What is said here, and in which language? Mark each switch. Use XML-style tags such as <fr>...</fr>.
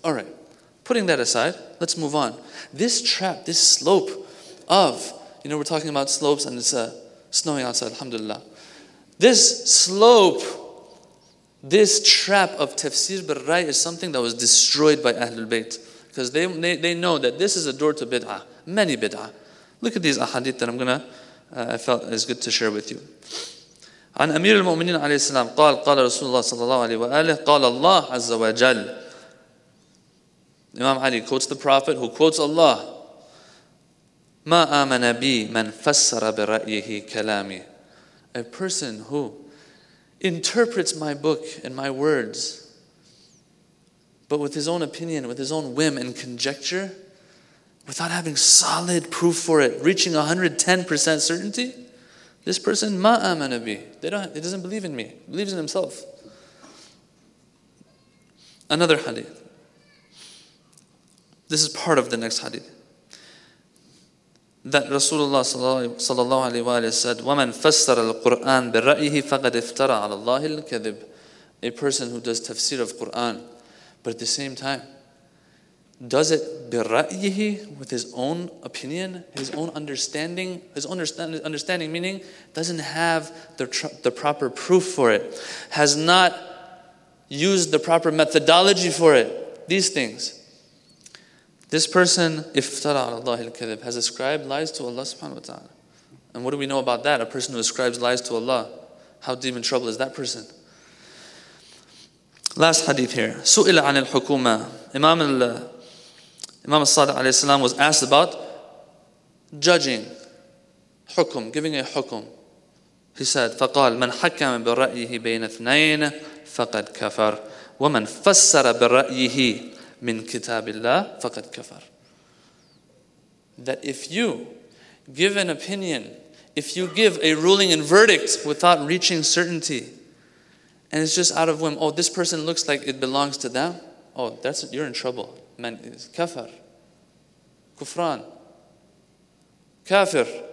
<en>All right, putting that aside, let's move on. This trap, this slope of, you know, we're talking about slopes and it's snowing outside, alhamdulillah. This slope, this trap of tafsir bil-ra'i is something that was destroyed by Ahlul Bayt. Because they know that this is a door to bid'ah, many bid'ah. Look at these ahadith that I'm going to, I felt is good to share with you.</en> <ar>عن أمير المؤمنين عليه السلام قال قال رسول الله صلى الله عليه وآله قال الله عز وجل.</ar> <en>Imam Ali quotes the Prophet who quotes Allah.</en> <ar>ما آمن بي من فسر برأيه كلامي.</ar> <en>A person who interprets my book and my words, but with his own opinion, with his own whim and conjecture, without having solid proof for it, reaching 110% certainty, this person,</en> <ar>ma amana bi,</ar> <en>he doesn't believe in me, believes in himself. Another hadith. This is part of the next hadith. That Rasulullah sallallahu alayhi wa alayhi said,</en> <ar>وَمَنْ فَسَّرَ الْقُرْآنَ بِرَأْيِهِ فَقَدْ افْتَرَ عَلَى اللَّهِ الْكَذِبِ.</ar> <en>A person who does tafsir of Qur'an, but at the same time, does it بِرَأْيِهِ, with his own opinion, his own understanding, his understanding meaning, doesn't have the proper proof for it, has not used the proper methodology for it, these things. This person,</en> <ar>iftara ala Allah al-kadhib,</ar> <en>has ascribed lies to Allah subhanahu wa ta'ala. And what do we know about that? A person who ascribes lies to Allah, how deep in trouble is that person? Last hadith here.</en> <ar>Su'ila an al-hukuma.</ar> <en>Imam al-Sadiq alayhi salam was asked about judging. حكم, giving a حكم. He said,</en> <ar>فقال من حكم برأيه بين اثنين فقد كفر ومن فسر برأيه من كتاب الله فقد كفر.</ar> <en>That if you give an opinion, if you give a ruling and verdict without reaching certainty, and it's just out of whim, oh, this person looks like it belongs to them, oh, that's, you're in trouble. Man, it's kafir. Kufran. Kafir.</en>